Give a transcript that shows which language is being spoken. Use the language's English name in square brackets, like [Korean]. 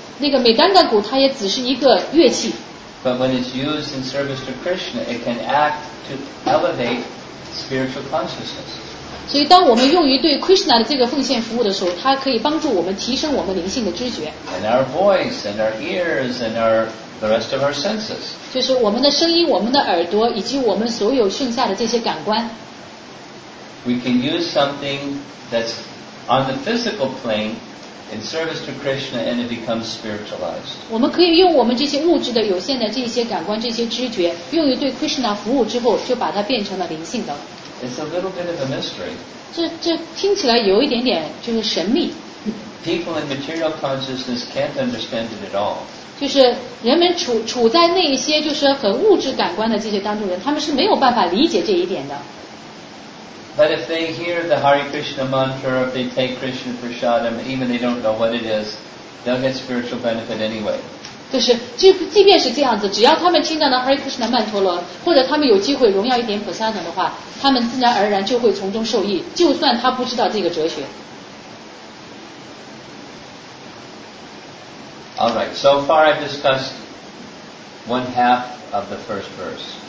[Chinese] 那个美丹丹鼓它也只是一个乐器。 [English] But when it's used in service to Krishna, it can act to elevate spiritual consciousness. [Chinese] 所以当我们用于对 Krishna 的这个奉献服务的时候，它可以帮助我们提升我们灵性的知觉。 [English] And our voice, and our ears, and our the rest of our senses. [Chinese] 就是我们的声音，我们的耳朵，以及我们所有剩下的这些感官。 [English] We can use something that's on the physical plane in service to Krishna, and it becomes spiritualized. [Chinese] 我们可以用我们这些物质的有限的这些感官、这些知觉，用于对 Krishna 服务之后，就把它变成了灵性的。 [English] It's a little bit of a mystery. [Chinese] 这听起来有一点点就是神秘。 [English] People in material consciousness can't understand it at all. [Chinese] 就是人们处在那些就是很物质感官的这些当中人，他们是没有办法理解这一点的。 [English] But if they hear the Hare Krishna mantra, if they take Krishna prasadam, even they don't know what it is, they'll get spiritual benefit anyway. [Chinese] 就是即便是这样子，只要他们听到了 Hare Krishna 曼陀罗，或者他们有机会荣耀一点普萨等的话，他们自然而然就会从中受益，就算他不知道这个哲学。 [English] Alright, so far I've discussed one half of the first verse.